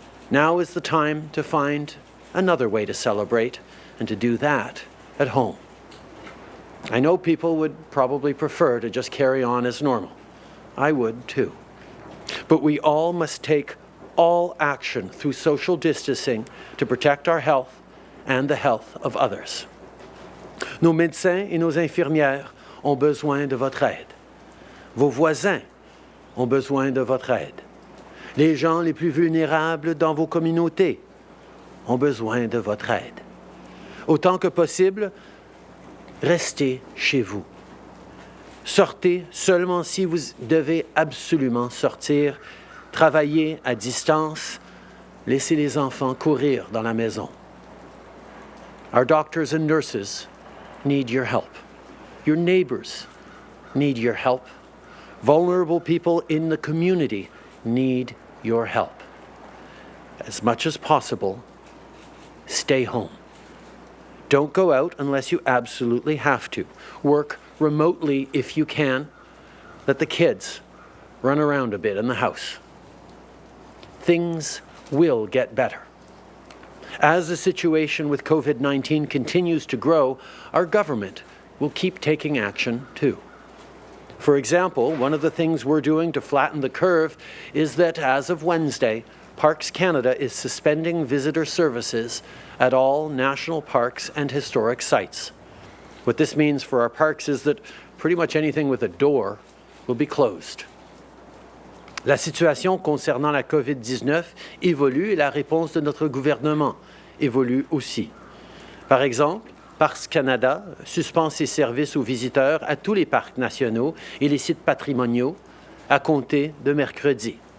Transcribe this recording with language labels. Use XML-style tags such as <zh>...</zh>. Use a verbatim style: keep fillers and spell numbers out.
<en>Now is the time to find another way to celebrate and to do that at home. I know people would probably prefer to just carry on as normal. I would too. But we all must take all action through social distancing to protect our health and the health of others.</en> <fr>Nos médecins et nos infirmières ont besoin de votre aide. Vos voisins ont besoin de votre aide. Les gens les plus vulnérables dans vos communautés ont besoin de votre aide. Autant que possible, restez chez vous. Sortez seulement si vous devez absolument sortir. Travaillez à distance. Laissez les enfants courir dans la maison.</fr> <en>Our doctors and nurses need your help. Your neighbors need your help. Vulnerable people in the community need your help. As much as possible, stay home. Don't go out unless you absolutely have to. Work remotely if you can. Let the kids run around a bit in the house. Things will get better. As the situation with COVID nineteen continues to grow, our government will keep taking action too. For example, one of the things we're doing to flatten the curve is that as of Wednesday, Parks Canada is suspending visitor services at all national parks and historic sites. What this means for our parks is that pretty much anything with a door will be closed.</en> <fr>La situation concernant la COVID dix-neuf évolue et la réponse de notre gouvernement évolue aussi. Par exemple, Parcs Canada suspend ses services aux visiteurs à tous les parcs nationaux et les sites patrimoniaux à compter de mercredi.</fr>